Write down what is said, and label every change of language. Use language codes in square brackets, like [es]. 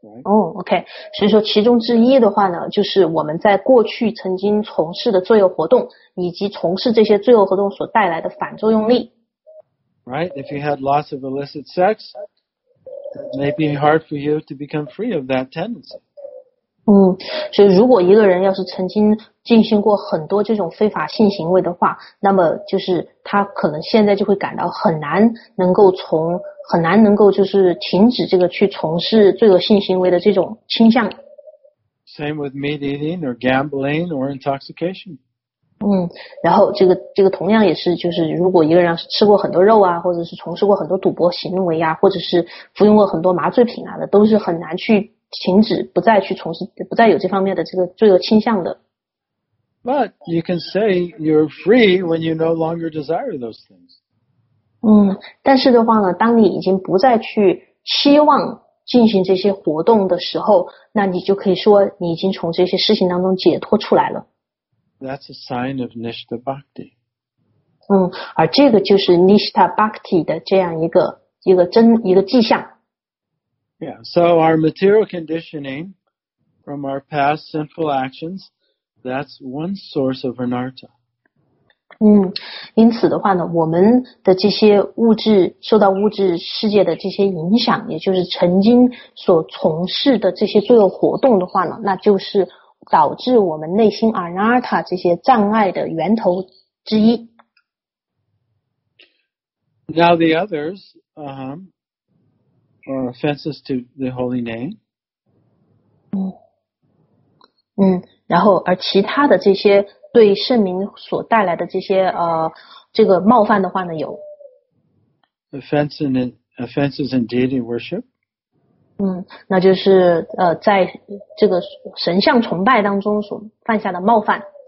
[zh] 哦 ，OK， 所以说其中之一的话呢，就是我们在过去曾经从事的罪恶活动，以及从事这些罪恶活动所带来的反作用力。 [en] Right, if you had lots of illicit sex, it may be hard for you to become free of that tendency. [zh] 嗯，所以如果一个人要是曾经进行过很多这种非法性行为的话，那么就是他可能现在就会感到很难能够就是停止这个去从事罪恶性行为的这种倾向。 [en] Same with meat eating or gambling or intoxication. [zh] 嗯，然后这个同样也是，就是如果一个人要是吃过很多肉啊，或者是从事过很多赌博行为啊，或者是服用过很多麻醉品啊的，都是很难去停止，不再去从事，不再有这方面的这个罪恶倾向的。 [en] But you can say you're free when you no longer desire those things. [zh] 嗯，但是的话呢，当你已经不再去期望进行这些活动的时候，那你就可以说你已经从这些事情当中解脱出来了。 [en] That's a sign of Nishtha Bhakti. [zh] 嗯，而这个就是 Nishtha Bhakti 的这样一个迹象。 [en] Yeah, so our material conditioning from our past sinful actions, that's one source of anartha. [zh] 嗯，因此的话呢，我们的这些物质受到物质世界的这些影响，也就是曾经所从事的这些罪恶活动的话呢，那就是导致我们内心 anartha 这些障碍的源头之一。 [en] Now the others, or offenses to the holy name. [zh] 嗯，然后而其他的这些对圣名所带来的这些这个冒犯的话呢，有 [en] offenses in deity worship. [zh] 嗯，那就是在这个神像崇拜当中所犯下的冒犯。